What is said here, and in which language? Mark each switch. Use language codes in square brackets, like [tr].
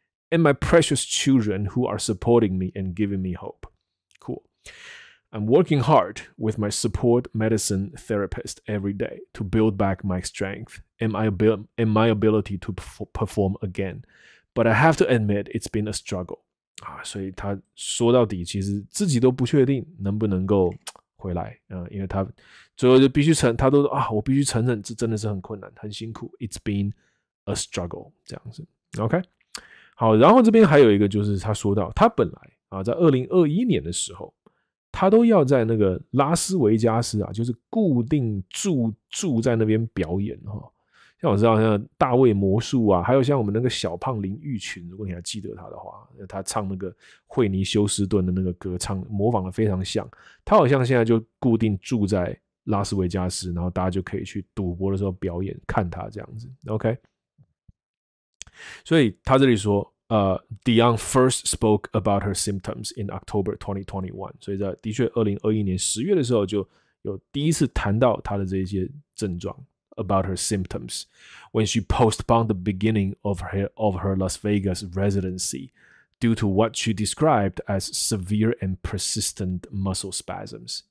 [en] And my precious children who are supporting me and giving me hope. Cool. I'm working hard with my support medicine therapist every day to build back my strength and my ability to perform again. But I have to admit, it's been a struggle. [zh] 啊，所以他说到底，其实自己都不确定能不能够回来啊，因为他最后就必须承，他都啊，我必须承认，这真的是很困难，很辛苦。 [en] It's been a struggle. [zh] 这样子 [en] ，OK。 [zh] 好，然后这边还有一个就是他说到他本来啊，在2021年的时候他都要在那个拉斯维加斯啊，就是固定住在那边表演、哦、像我知道像大卫魔术啊，还有像我们那个小胖林玉群，如果你还记得他的话，他唱那个惠尼休斯顿的那个歌唱模仿的非常像，他好像现在就固定住在拉斯维加斯，然后大家就可以去赌博的时候表演看他这样子， OK。 [en] 所以他这里说Dion first spoke about her symptoms in October 2021, [zh] 所以在的确2021年10月的时候就有第一次谈到他的这些症状 [en] about her symptoms, when she postponed the beginning of her Las Vegas residency due to what she described as severe and persistent muscle spasms.